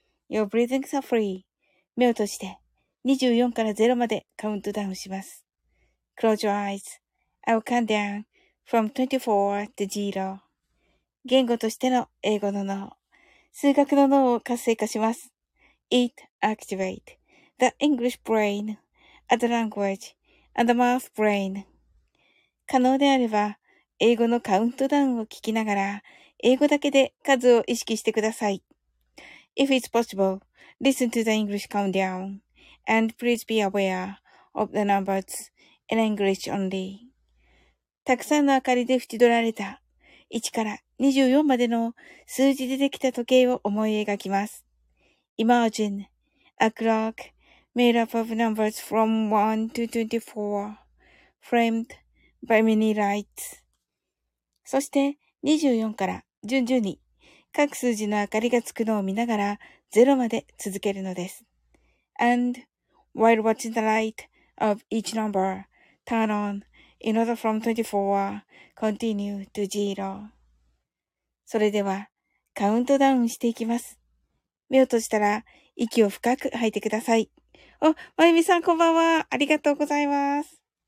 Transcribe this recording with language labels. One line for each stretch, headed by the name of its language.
English: Your breathings are free.
Japanese: 目を閉じて24から0までカウントダウンします。
English: Close your eyes. I will count down from 24 to 0.
Japanese: 言語としての英語の脳、数学の脳を活性化します。
English: It activates the English brain and the language. And the math brain.
Japanese: 可能であれば、英語のカウントダウンを聞きながら、英語だけで数を意識してください。
English: If it's possible, listen to the English countdown. And please be aware of the numbers in English only.
Japanese: たくさんの明かりで縁取られた、1から24までの数字でできた時計を思い描きます。
English: Imagine a clock. Made up of numbers from 1 to 24, framed by many lights.
Japanese: そして24から順々に各数字の明かりがつくのを見ながら0まで続けるのです。
English: And while watching the light of each number turn on in order from 24, continue to 0.
Japanese: それではカウントダウンしていきます。目を閉じたら息を深く吐いてください。お、まゆみさん、こんばんは。ありがとうございます。